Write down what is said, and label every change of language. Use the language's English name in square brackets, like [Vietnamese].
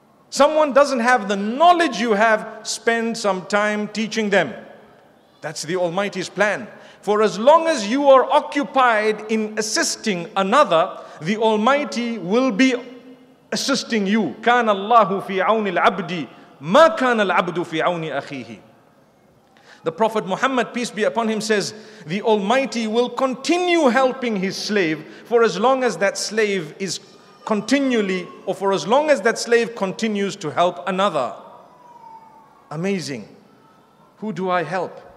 [English] Someone doesn't have the knowledge you have, spend some time teaching them. That's the Almighty's plan. For as long as you are occupied in assisting another, the Almighty will be assisting you. [Arabic] كان الله في عون العبد ما كان العبد في عون أخيه. [English] The Prophet Muhammad, peace be upon him, says, the Almighty will continue helping his slave for as long as that slave is continually, or for as long as that slave continues to help another. Amazing. Who do I help?